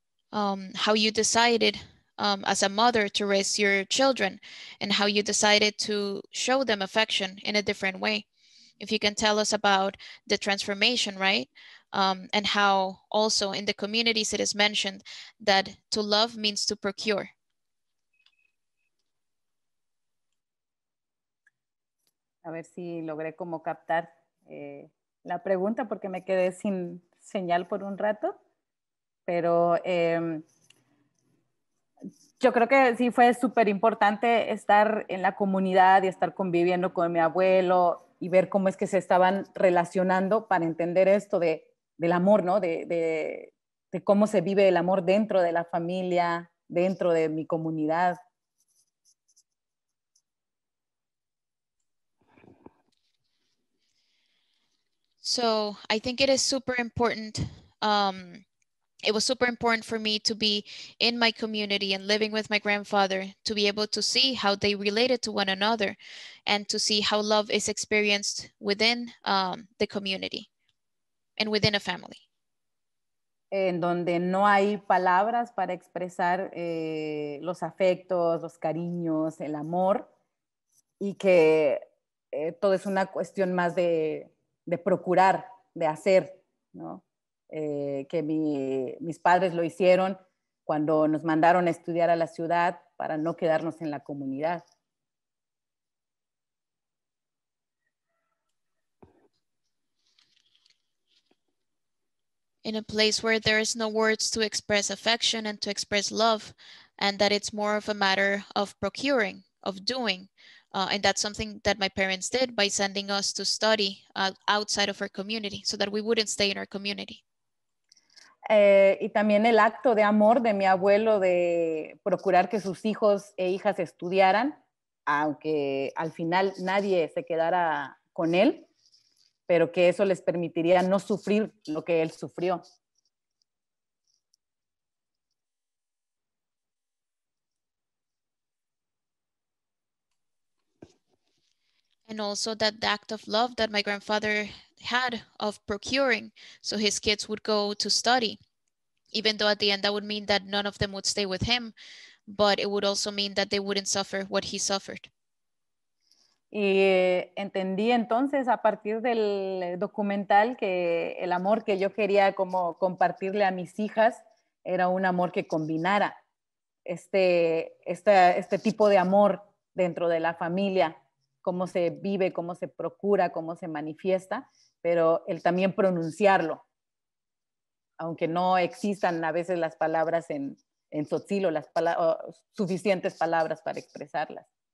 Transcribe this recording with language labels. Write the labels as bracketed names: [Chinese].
[English] How you decided as a mother to raise your children and how you decided to show them affection in a different way. If you can tell us about the transformation, right? And how also in the communities it is mentioned that to love means to procure. [Spanish] A ver si logré como captar la pregunta porque me quedé sin señal por un rato. Pero yo creo que sí fue súper importante estar en la comunidad y estar conviviendo con mi abuelo y ver cómo es que se estaban relacionando para entender esto del amor, ¿no? De cómo se vive el amor dentro de la familia, dentro de mi comunidad. [English] So I think it is super important. It was super important for me to be in my community and living with my grandfather to be able to see how they related to one another and to see how love is experienced within the community and within a family. [Spanish] En donde no hay palabras para expresar los afectos, los cariños, el amor, y que todo es una cuestión más de procurar, de hacer, ¿no? Que mis padres lo hicieron cuando nos mandaron a estudiar a la ciudad para no quedarnos en la comunidad. [English] In a place where there is no words to express affection and to express love, and that it's more of a matter of procuring, of doing. And that's something that my parents did by sending us to study outside of our community so that we wouldn't stay in our community. [Spanish] Y también el acto de amor de mi abuelo de procurar que sus hijos e hijas estudiaran, aunque al final nadie se quedara con él, pero que eso les permitiría no sufrir lo que él sufrió. [English] And also that the act of love that my grandfather had of procuring so his kids would go to study, even though at the end that would mean that none of them would stay with him, but it would also mean that they wouldn't suffer what he suffered. [Spanish] Y entendí entonces a partir del documental que el amor que yo quería como compartirle a mis hijas era un amor que combinara este tipo de amor dentro de la familia, cómo se vive, cómo se procura, cómo se manifiesta, pero el también pronunciarlo, aunque no existan a veces las palabras en Tzotzil, suficientes palabras para expresarlas.